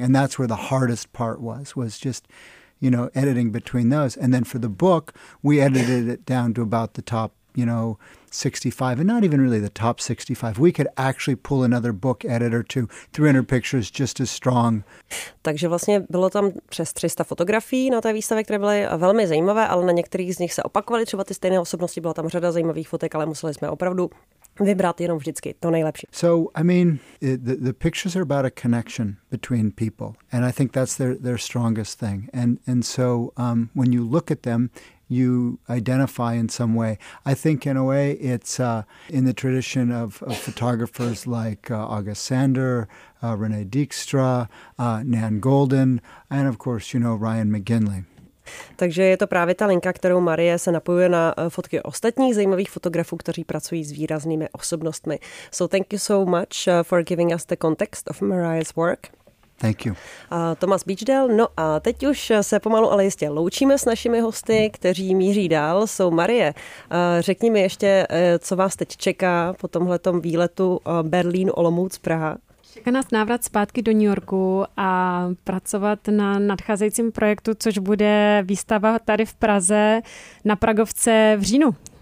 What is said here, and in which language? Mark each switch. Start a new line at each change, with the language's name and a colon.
English: And that's where the hardest part was just, you know, editing between those. And then for the book, we edited it down to about the top, you know, 65, and not even really the top 65. We could actually pull another book editor to 300 pictures just as strong.
Czech: Takže vlastně bylo tam přes 300 fotografií na té výstavě, které byly velmi zajímavé, ale na některých z nich se opakovaly třeba ty stejné osobnosti. Byla tam řada zajímavých fotek, ale museli jsme opravdu vybrat jenom vždycky to nejlepší.
English: So, I mean, the pictures are about a connection between people, and I think that's their strongest thing. And so, when you look at them, you identify in some way. I think in a way it's in the tradition of photographers like August Sander, René Dijkstra, Nan Golden, and of course, you know, Ryan McGinley.
Czech: Takže je to právě ta linka, kterou Marie se napojuje na fotky ostatních zajímavých fotografů, kteří pracují s výraznými osobnostmi.
English: So thank you so much for giving us the context of Marie's work. Thank you. Thomas Beachdale.
Czech: No a teď už se pomalu, ale jistě loučíme s našimi hosty, kteří míří dál. Jsou Marie. Řekni mi ještě, co vás teď čeká po tomhletom výletu Berlín, Olomouc, Praha. Čeká nás návrat zpátky do New Yorku a pracovat na nadcházejícím projektu, což bude výstava tady v Praze na Pragovce v říjnu.